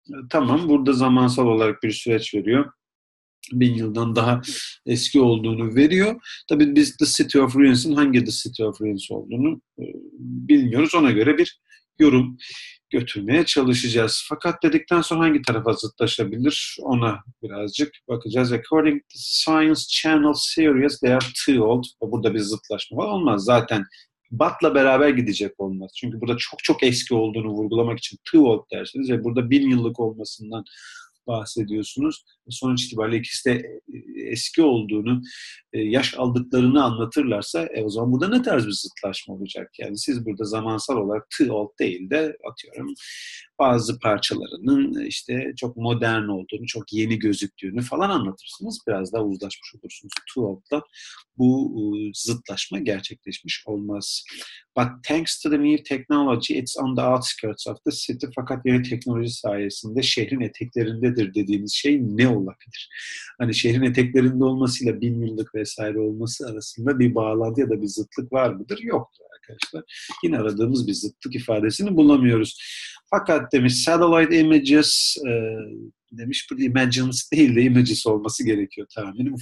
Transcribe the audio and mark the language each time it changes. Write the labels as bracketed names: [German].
[Turkish] Tamam, burada zamansal olarak bir süreç veriyor. 1000 yıldan daha eski olduğunu veriyor. Tabii biz The City of Ruins'in hangi The City of Ruins olduğunu bilmiyoruz. Ona göre bir yorum götürmeye çalışacağız. Fakat dedikten sonra hangi tarafa zıtlaşabilir ona birazcık bakacağız. [English] According to Science Channel series, they are too old. [Turkish] Burada bir zıtlaşma var. Olmaz. Zaten Bat'la beraber gidecek olmaz. Çünkü burada çok çok eski olduğunu vurgulamak için too old dersiniz ve burada 1000 yıllık olmasından bahsediyorsunuz. Sonuç itibariyle ikisi de eski olduğunu, yaş aldıklarını anlatırlarsa o zaman burada ne tarz bir zıtlaşma olacak? Yani siz burada zamansal olarak too old değil de atıyorum bazı parçalarının işte çok modern olduğunu, çok yeni gözüktüğünü falan anlatırsınız. Biraz daha uzlaşmış olursunuz. Too old'la bu zıtlaşma gerçekleşmiş olmaz. [English] But thanks to the new technology, it's on the outskirts of the city. [Turkish] Fakat yeni teknoloji sayesinde şehrin eteklerindedir dediğimiz şey ne olabilir? Hani şehrin eteklerinde olmasıyla 1000 yıllık vesaire olması arasında bir bağlantı ya da bir zıtlık var mıdır? Yoktur arkadaşlar. Yine aradığımız bir zıtlık ifadesini bulamıyoruz. Fakat demiş satellite images demiş, bu imagines değil de images olması gerekiyor tahminim.